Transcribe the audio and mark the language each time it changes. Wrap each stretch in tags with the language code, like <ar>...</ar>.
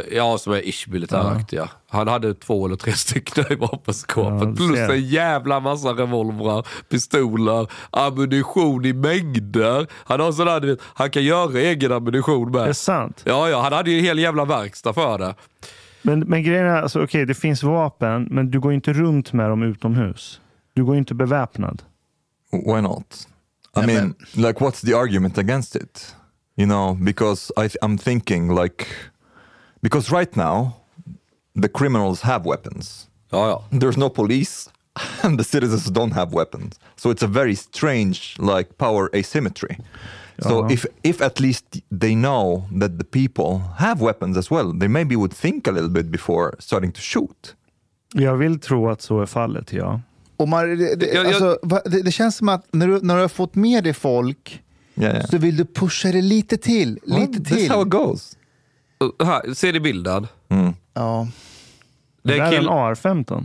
<sv>Ja, som är ish-militäraktiga. Ja. Han hade två eller tre stycken i vapenskåpet. Ja, plus en jävla massa revolver, pistoler, ammunition i mängder. Han har sådär, han kan göra egen ammunition med. Det är sant. Ja, han hade ju en hel jävla verkstad för det. Men grejen är, alltså, okej, det finns vapen, men du går inte runt med dem utomhus. Du går inte beväpnad.</sv> <en>Why not? I mean, like, what's the argument against it? You know, because I'm thinking like, because right now the criminals have weapons. Oh, yeah. There's no police and the citizens don't have weapons. So it's a very strange like power asymmetry. So if at least they know that the people have weapons as well, they maybe would think a little bit before starting to shoot.</en> <sv>Jag vill tro att så är fallet, ja. Omar, det känns som att när du har fått med dig folk...</sv> <en>Yeah.</en> <sv>Så vill du pusha det lite till. Lite till.</sv> <en>This is how it goes.</en> <sv>Ser du bilden? Mm. Ja. Det är en AR-15.</sv>